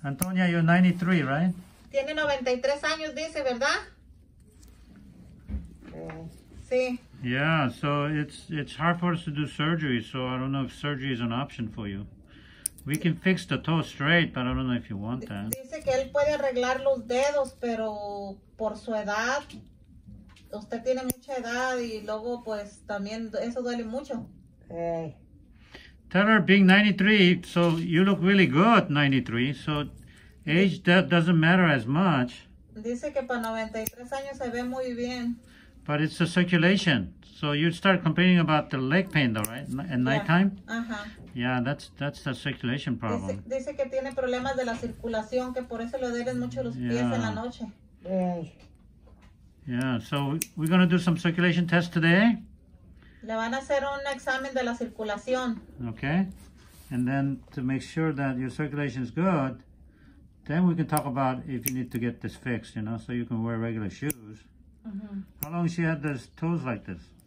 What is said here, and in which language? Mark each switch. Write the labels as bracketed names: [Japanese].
[English] Antonia, you're 93, right? [Spanish] Tiene 93 años, dice, ¿verdad? Sí. [English] Yeah, so it's hard for us to do surgery, so I don't know if surgery is an option for you. We can fix the toe straight, but I don't know if you want that. [Spanish] Dice que él puede arreglar los dedos, pero por su edad, usted tiene mucha edad y luego pues también eso duele mucho. [English] Tell her being 93, so you look really good, 93, so age that doesn't matter as much. [Spanish] Dice que para 93 años se ve muy bien. [English] But it's the circulation. So you start complaining about the leg pain though, right? At nighttime? Uh-huh. Yeah, that's the circulation problem. [Spanish] Dice que tiene problemas de la circulación, que por eso le duelen mucho los pies en la noche. [English] Yeah, so we're going to do some circulation tests today. [Spanish] Le van a hacer un examen de la circulación. [English] Okay. And then to make sure that your circulation is good, then we can talk about if you need to get this fixed, you know, so you can wear regular shoes. Mm-hmm. How long she had those toes like this?